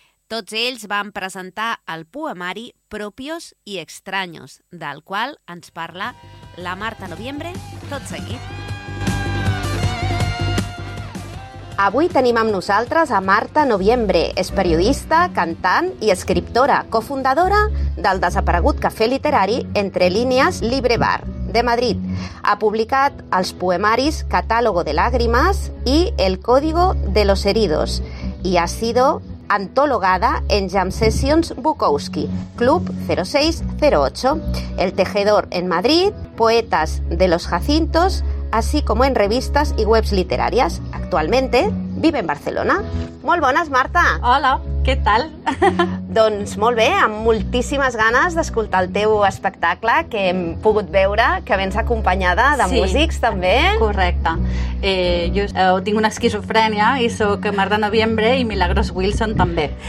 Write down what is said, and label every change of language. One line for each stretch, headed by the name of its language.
Catalan: Tots ells van presentar el poemari Propios y Extraños, del qual ens parla la Marta Noviembre, tot seguit. Avui tenim amb nosaltres a Marta Noviembre. És periodista, cantant i escriptora, cofundadora del desaparegut cafè literari Entre Línies Libre Bar de Madrid. Ha publicat els poemaris
Spanish: Catálogo de Lágrimas i El Código de los Heridos i ha sido antologada en Jam Sessions Bukowski, Club 0608, El Tejedor en Madrid, Poetas de los Jacintos, así como en revistas y webs literarias. Actualmente vive en Barcelona.
Catalan: Molt bones, Marta! Hola, què tal? Doncs molt bé, amb moltíssimes ganes d'escoltar el teu espectacle, que hem pogut veure que vens acompanyada de sí, músics, també. Correcte. Jo tinc una esquizofrènia i sóc Marta Noviembre i Milagros Wilson, també.